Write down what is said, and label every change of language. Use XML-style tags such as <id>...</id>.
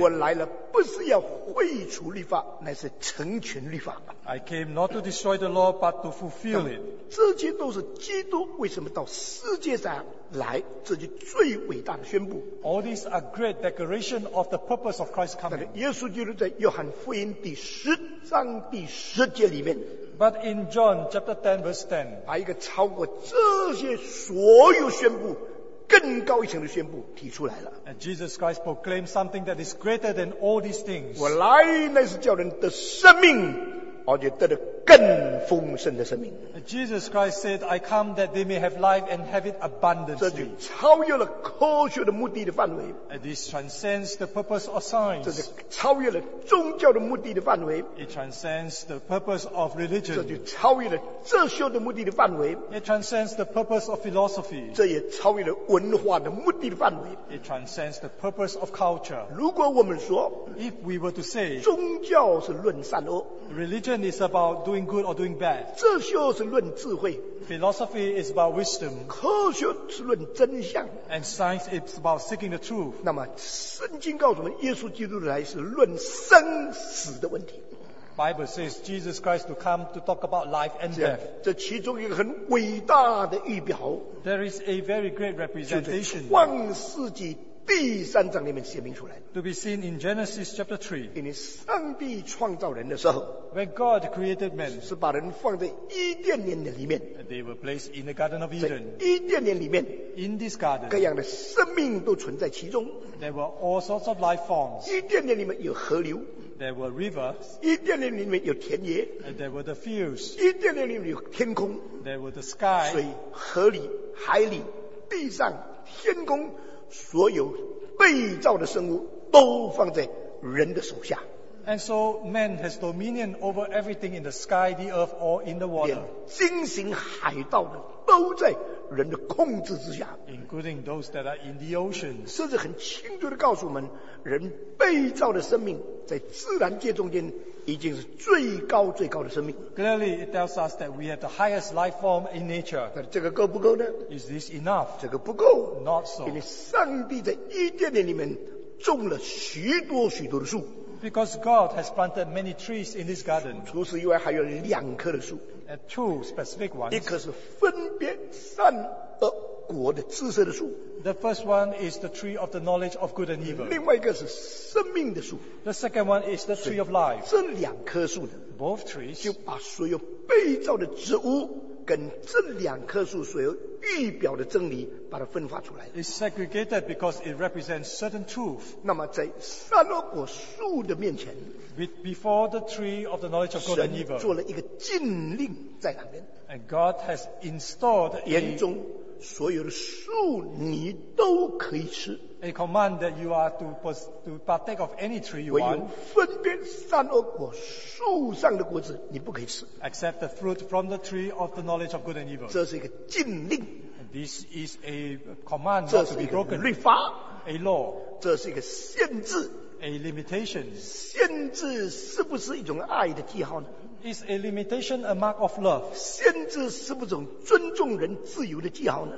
<zh>我来了不是要废除律法乃是成全律法。</zh> <en>I came not to destroy the law but to fulfill it.</en> <zh>这些都是基督为什么到世界上来这就最伟大的宣布</zh> <en>All these are great declaration of the purpose of Christ's coming</en> <zh>耶稣基督在约翰福音第十章第十节里面</zh> <en>But in John chapter 10 verse 10</en> <zh>把一个超过这些所有宣布更高一层的宣布提出来了</zh> <en>And Jesus Christ proclaimed something that is greater than all these things</en> <zh>我来乃是叫人得生命而且得了更丰盛的生命。</zh> <en>Jesus Christ said, I come that they may have life and have it abundantly.</en> <zh>这就超越了科学的目的的范围。</zh> <en>This transcends the purpose of science.</en> <zh>这就超越了宗教的目的的范围。</zh> <en>It transcends the purpose of religion.</en> <zh>这就超越了哲学的目的的范围。</zh> <en>It transcends the purpose of philosophy.</en> <zh>这也超越了文化的目的的范围。</zh> <en>It transcends the purpose of culture.</en> <zh>如果我们说</zh> <en>If we were to say,</en> <zh>宗教是论善恶。</zh> <en>Religion is about doing good or doing bad.</en> <zh>哲学是论智慧。</zh> <en>Philosophy is about wisdom.</en> <zh>科学是论真相。</zh> <en>And science is about seeking the truth.</en> <zh>那么圣经告诉我们耶稣基督来是论生死的问题。</zh> <en>Bible says Jesus Christ to come to talk about life and death.</en> <zh>这其中一个很伟大的预表。</zh> <en>There is a very great representation.</en> <zh>创世纪第三章里面写明出来。</zh> <en>To be seen in Genesis chapter 3.</en> <zh>因为上帝创造人的时候，</zh> <en>When God created man,</en> <zh>是把人放在伊甸园的里面。</zh> <en>They were placed in the Garden of Eden.</en> <zh>伊甸园里面，</zh> <en>In this garden,</en> <zh>各样的生命都存在其中。</zh> <en>There were all sorts of life forms.</en> <zh>伊甸园里面有河流。</zh> <en>There were rivers.</en> <zh>伊甸园里面有田野。</zh> <en>And there were the fields.</en> <zh>伊甸园里面有天空。</zh> <en>There were the sky.</en> <zh>水、河里、海里、地上、天空，所有被造的生物都放在人的手下。</zh> <en>And so man has dominion over everything in the sky, the earth, or in the water.</en> <zh>连精神海盗的都在人的控制之下。</zh> <en>Including those that are in the ocean.</en> <zh>甚至很清楚地告诉我们，人被造的生命在自然界中间已经是最高最高的生命。</zh> <en>Clearly it tells us that we have the highest life form in nature.</en> <zh>但这个够不够呢？</zh> <en>Is this enough?</en> <zh>这个不够。</zh> <en>Not so.</en> <zh>因为上帝在伊甸园里面种了许多许多的树。</zh> <en>Because God has planted many trees in this garden.</en> <zh>除此以外还有两棵的树。</zh> <en>And two specific ones.</en> <zh>一棵是分别善恶果的知识的树。</zh> <en>The first one is the tree of the knowledge of good and evil.</en> <zh>另外一个是生命的树。</zh> <en>The second one is the tree of life.</en> <zh>这两棵树呢，</zh> <en>Both trees,</en> <zh>就把所有被造的植物跟这两棵树所有预表的真理把它分化出来。</zh> <en>It's segregated because it represents certain truth.</en> <zh>那么在善恶果树的面前，</zh> <en>Before the tree of the knowledge of good and evil,</en> <zh>神做了一个禁令在那边。</zh> <en>And God has installed a</en> <zh>严重所有的树你都可以吃。</zh> <en>A command that you are to partake of any tree you want.</en> <zh>唯有分别善恶果树上的果子你不可以吃。</zh> <en>Except the fruit from the tree of the knowledge of good and evil.</en> <zh>这是一个禁令。</zh> <en>This is a command not to be broken.</en> <zh>这是一个律法。</zh> <en>A law.</en> <zh>这是一个限制。</zh> <en>A limitation.</en> <zh>限制是不是一种爱的记号呢？</zh> <en>Is a limitation a mark of love?</en> <zh>限制是不是种尊重人自由的记号呢？</zh>